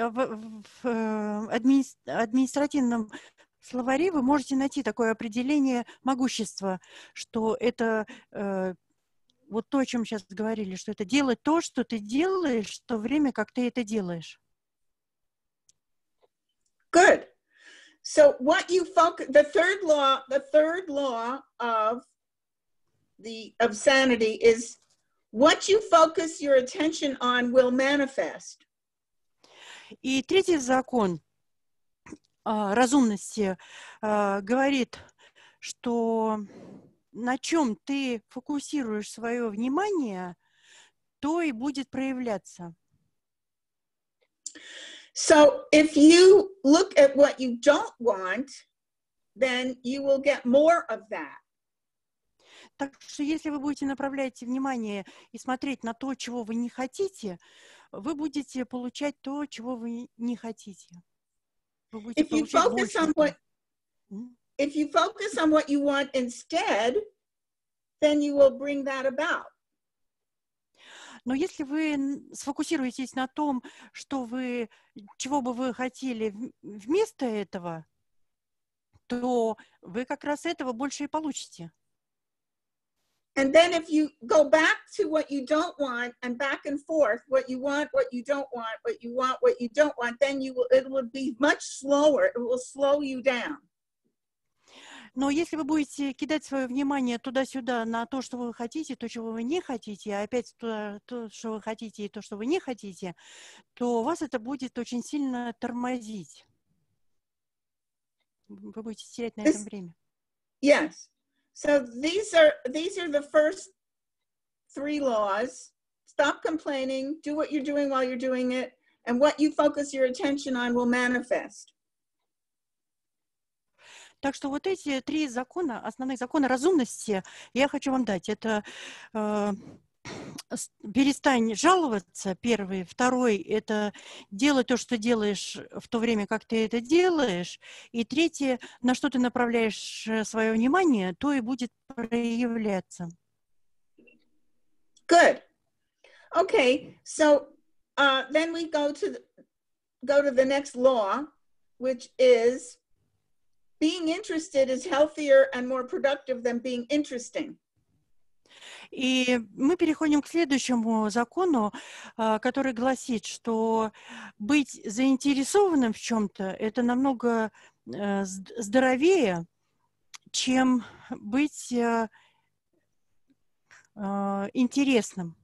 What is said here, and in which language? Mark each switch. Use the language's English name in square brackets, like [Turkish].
[Russian] В административном словаре вы можете найти такое определение могущества, что это вот то, о чем сейчас говорили, что это делать то, что ты делаешь, в то время, как ты это делаешь. [English] Good. So what you focus, the third law of sanity is what you focus your attention on will manifest. [Russian] И третий закон разумности говорит, что на чем ты фокусируешь свое внимание, то и будет проявляться. [English] So if you look at what you don't want, then you will get more of that. [Russian] Так что если вы будете направлять внимание и смотреть на то, чего вы не хотите, вы будете получать то, чего вы не хотите. [English] If you focus on what you want instead, then you will bring that about. [Russian] Но если вы сфокусируетесь на том, что вы, чего бы вы хотели вместо этого, то вы как раз этого больше и получите. [English] And then if you go back to what you don't want and back and forth, what you want, what you don't want, what you want, what you don't want, then it will be much slower. It will slow you down. [Russian] Но если вы будете кидать свое внимание туда-сюда на то, что вы хотите, то, чего вы не хотите, опять то, что вы хотите, и то, что вы не хотите, то вас это будет очень сильно тормозить. Вы будете терять на этом время. [English] Yes. So these are the first three laws. Stop complaining, do what you're doing while you're doing it, and what you focus your attention on will manifest. [Russian] Так что вот эти три закона, основных закона разумности, я хочу вам дать. Это перестань жаловаться, первый. Второй – это делай то, что делаешь в то время, как ты это делаешь. И третье – на что ты направляешь свое внимание, то и будет проявляться. [English] Good. Okay, so then we go to the next law, which is being interested is healthier and more productive than being interesting. [Russian] И мы переходим к следующему закону, который гласит, что быть заинтересованным в чем-то – это намного здоровее, чем быть интересным.